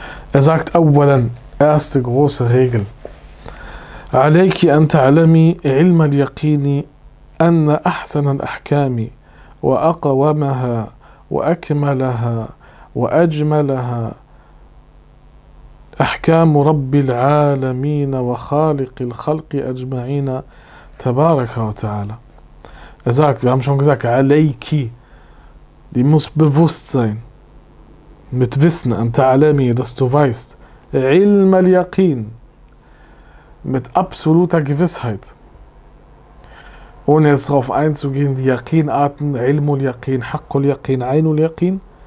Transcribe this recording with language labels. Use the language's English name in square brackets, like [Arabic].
[German] Er sagt, awwalan, erste große Regel. [Arabic] عليكي أن تعلمي علم اليقين أن أحسن الأحكام وأقومها وأكملها وأجملها أحكام رب العالمين وخالق الخلق أجمعين تبارك وتعالى. [German] Er sagt, wir haben schon gesagt, [Arabic] عليكي, [German] die muss bewusst sein, mit Wissen, [Arabic] أن تعلمي, [German] dass du weißt, [Arabic] علم اليقين, [German] mit absoluter Gewissheit. Ohne jetzt darauf einzugehen, die Yaqin-Arten, Ilm al-Yaqin, Haqq al-Yaqin, Ayn al-Yaqin.